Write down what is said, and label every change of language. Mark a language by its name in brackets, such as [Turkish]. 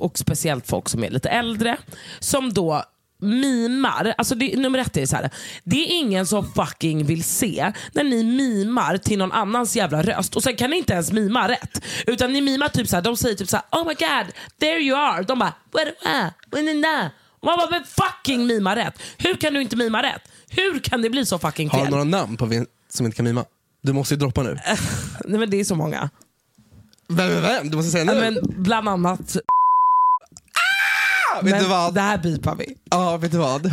[Swedish] Och speciellt folk som är lite äldre. Som då mimar. Alltså det, nummer ett är så här. Det är ingen som fucking vill se när ni mimar till någon annans jävla röst. Och sen kan ni inte ens mima rätt, utan ni mimar typ så här. De säger typ så här, [English] oh my god, there you are. [Swedish] De bara, [English] where am I, when in there. [Swedish] Och man bara, men fucking mima rätt. Hur kan du inte mima rätt? Hur kan det bli så fucking fel? Har du några namn på vem som inte kan mima? Du måste ju droppa nu. Nej, men det är så många. Vem? Du måste säga nu. Men bland annat, men vet du vad? Det här bipar vi. Ja, vet du vad?